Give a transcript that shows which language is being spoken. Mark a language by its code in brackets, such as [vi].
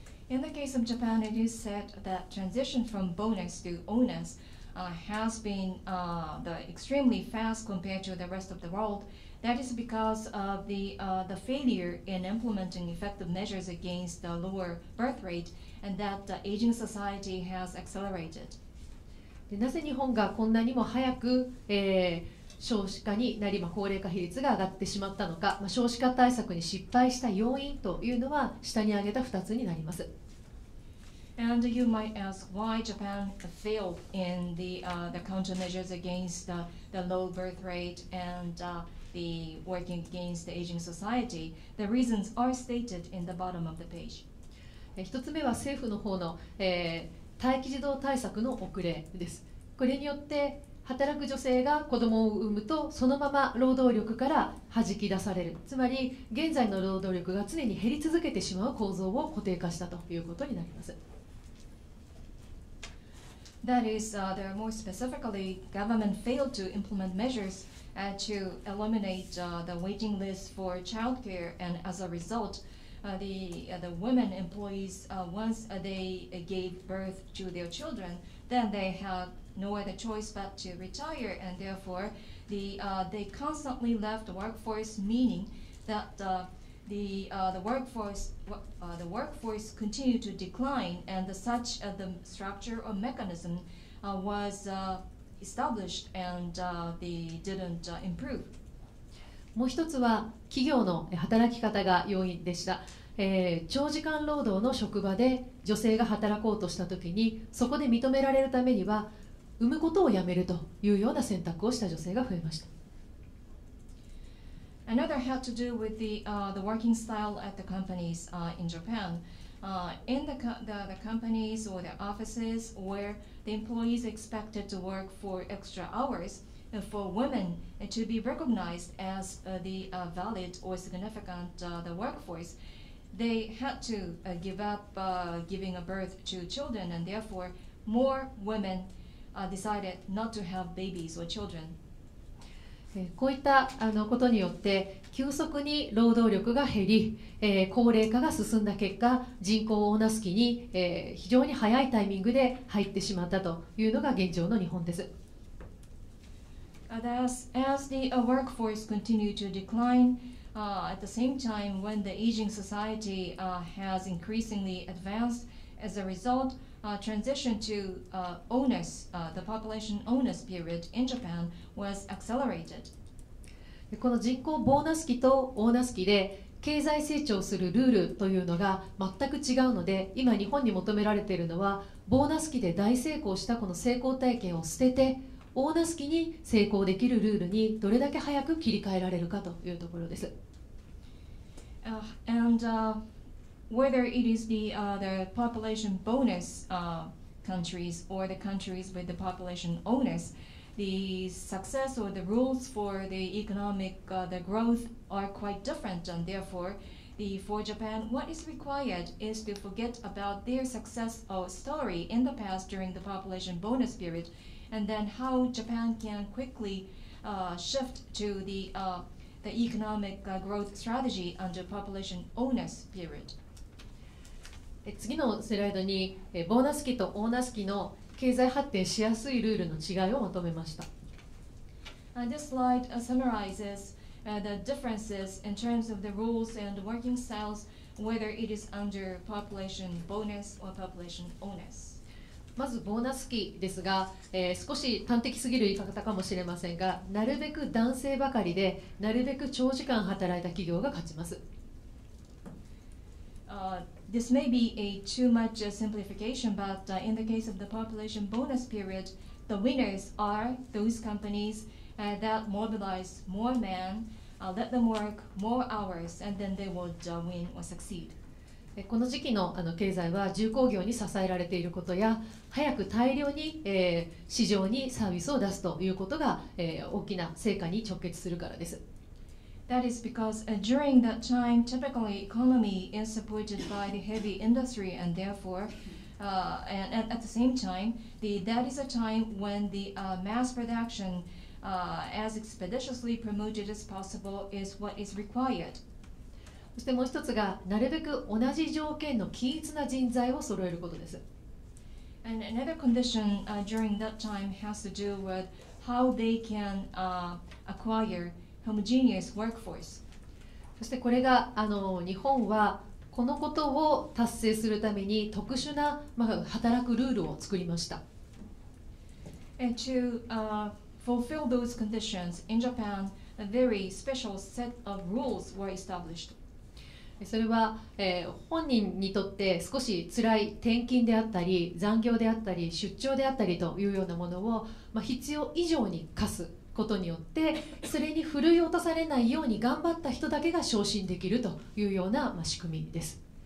[en] In the case of Japan, it is said that transition from bonus to onus has been extremely fast compared to the rest of the world. That is because of the failure in implementing effective measures against the lower birth rate, and that the aging society has accelerated. [ja] なぜ日本がこんなにも早く、少子化になり、高齢化比率が上がってしまったのか、少子化対策に失敗した要因というのは下に挙げた2つになります。 [en] And you might ask why Japan failed in the countermeasures against the low birth rate and the working against the aging society. The reasons are stated in the bottom of the page. [ja] 1つ目は政府の方の、待機児童対策の遅れです。これによって働く女性が子どもを産むとそのまま労働力から弾き出される、つまり現在の労働力が常に減り続けてしまう構造を固定化したということになります。 [en] That is, there more specifically, government failed to implement measures to eliminate the waiting list for child care, and as a result, the women employees, once they gave birth to their children, then they havenor no other choice but to retire, and therefore they constantly left the workforce, meaning that the workforce continued to decline, and such the structure or mechanism was established and they didn't improve. [ja] もう一つは企業の働き方が要因でした。長時間労働の職場で女性が働こうとしたときに、そこで認められるためには産むことをやめるというような選択をした女性が増えました。 [en] Another had to do with the working style at the companies in Japan. In the companies or the offices where the employees expected to work for extra hours, for women to be recognized as valid or significant the workforce, they had to give up giving a birth to children, and therefore more womenDecided not to have babies or children. [ja] こういったことによって急速に労働力が減り、高齢化が進んだ結果、人口オーナス期に、非常に早いタイミングで入ってしまったというのが現状の日本です。 [en] As the workforce continued to decline, at the same time when the aging society has increasingly advanced, as a result,transition to onus, the population onus period in Japan was accelerated. [ja] この人口ボーナス期とオーナス期で経済成長するルールというのが全く違うので、今日本に求められているのはボーナス期で大成功したこの成功体験を捨ててオーナス期に成功できるルールにどれだけ早く切り替えられるかというところです。 [en] And whether it is the population bonus countries or the countries with the population onus, the success or the rules for the economic the growth are quite different, and therefore for Japan, what is required is to forget about their success or story in the past during the population bonus period, and then how Japan can quickly shift to the economic growth strategy under population onus period. [ja] 次のスライドにボーナス期とオーナス期の経済発展しやすいルールの違いを求めました。 [en] This slide summarizes the differences in terms of the rules and working styles, whether it is under population bonus or population onus. [ja] まずボーナス期ですが、少し端的すぎる言い方かもしれませんが、なるべく男性ばかりで、なるべく長時間働いた企業が勝ちます。 [en] This may be a too much simplification, but in the case of the population bonus period, the winners are those companiesthat mobilize more men, let them work more hours, and then they would win or succeed. [ja] この時期の経済は重工業に支えられていることや、早く大量に市場にサービスを出すということが大きな成果に直結するからです。 [en] That is because during that time, typically economy is supported by the heavy industry, and therefore, and at the same time, that is a time when the mass productionas expeditiously promoted as possible is what is required. [ja] そしてもう一つが、なるべく同じ条件の均一な人材を揃えることです。 [en] And another condition during that time has to do with how they can acquire homogeneous workforce. [ja] そしてこれが日本はこのことを達成するために特殊な、働くルールを作りました。 [en] And to, fulfill those conditions in Japan, a very special set of rules were established. [ja] それは、本人にとって少し辛い転勤であったり、残業であったり、出張であったりというようなものを、必要以上に課すことによって、それに振るい落とされないように頑張った人だけが昇進できるというような、仕組みです。